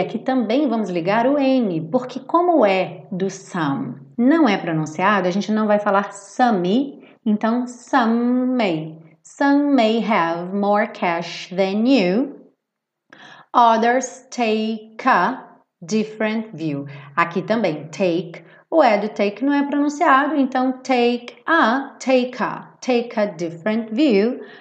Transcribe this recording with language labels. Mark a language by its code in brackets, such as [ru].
[pt] Aqui também vamos ligar o N, porque como é do some? Não é pronunciado, a gente não vai falar some, então [en] some may have more cash than you. Others take a different view. [pt] Aqui também take, o é do take não é pronunciado, então [en] take a different view.